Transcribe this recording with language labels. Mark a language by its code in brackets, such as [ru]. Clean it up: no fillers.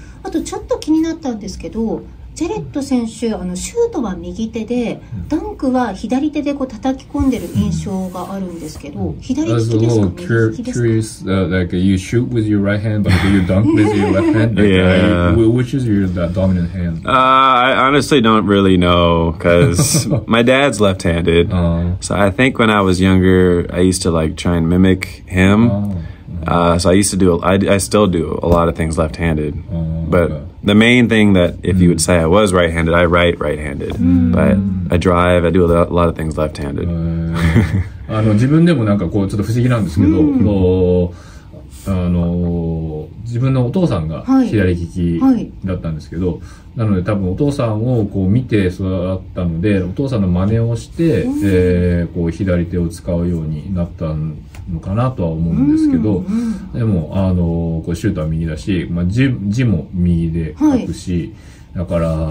[ja] あとちょっと気になったんですけど、ジェレット選手、シュートは右手で、ダンクは左手でこう叩き込んでる印象があるんですけど、左利きですか、右利きですか。 [en] Curious, like you shoot with your right hand, but you dunk with your left hand. Yeah. Which is your dominant hand? I honestly don't really know, because my dad's left-handed. So I think when I was younger, I used to like try and mimic him. So I used to do, I still do a lot of things left-handed. But the main thing that if you would say I was right-handed, I write right-handed. But I drive, I do a lot of things left-handed. [ja] 自分でもなんかこうちょっと不思議なんですけど、自分のお父さんが左利きだったんですけど、なので多分お父さんをこう見て育ったので、お父さんの真似をして、こう左手を使うようになったんのかなとは思うんですけど、でもこうシュートは右だし、まあ、字も右で書くし、はい、だから